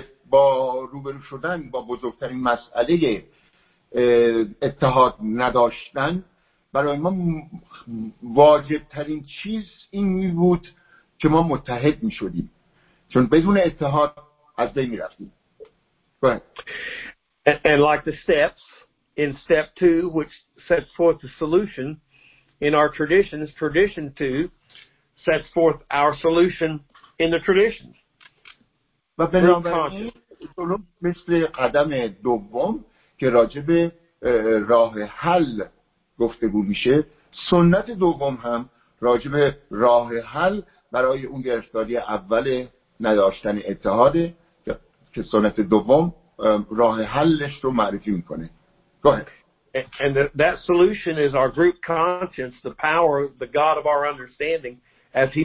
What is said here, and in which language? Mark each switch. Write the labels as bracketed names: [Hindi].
[Persian] با روبرو شدن با بزرگترین مسئله اتحاد نداشتن، برای ما واجبترین چیز این بود که ما متحد می شدیم، چون بدون اتحاد از بین می رفتیم. [English] And like the steps, in step two, which sets forth the solution, in our traditions, tradition two sets forth our solution in the traditions. [Persian] و بنابراین مثل قدم دوم که راجع به راه حل گفتگو میشه، سنت دوم هم راجب راه حل برای اون گرفتاری اول نداشتن اتحاده که سنت دوم راه حلش رو معرفی میکنه. [English] Go ahead. And that solution is our group conscience, the power of the God of our understanding, as he